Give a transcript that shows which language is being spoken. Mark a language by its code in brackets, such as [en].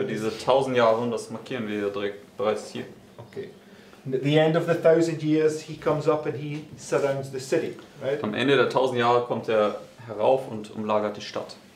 [de] Für diese tausend Jahre, und das markieren wir direkt bereits hier. [en] Okay. And at the end of the 1,000 years, he comes up and he surrounds the city, right? [de] Am Ende der 1,000 Jahre kommt er herauf und umlagert die Stadt.